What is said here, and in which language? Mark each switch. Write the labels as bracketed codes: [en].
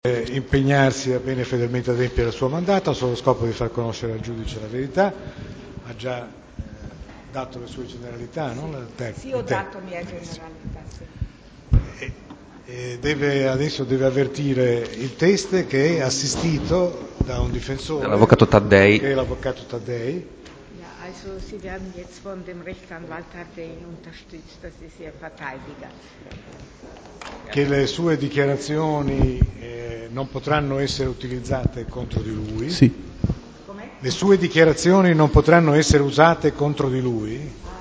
[it] impegnarsi a bene fedelmente adempiere al suo mandato, solo scopo di far conoscere al giudice la verità. Ha già dato le sue generalità, sì. Non? Ho dato mia generalità, sì. Adesso deve avvertire il teste che è assistito da un difensore, l'avvocato Taddei. Che è l'avvocato Taddei. [de] Also Sie werden jetzt von dem Rechtsanwalt Taddei unterstützt, dass Sie sich verteidigen. [it] Che le sue dichiarazioni non potranno essere utilizzate contro di lui. Sì. Com'è? Le sue dichiarazioni non potranno essere usate contro di lui.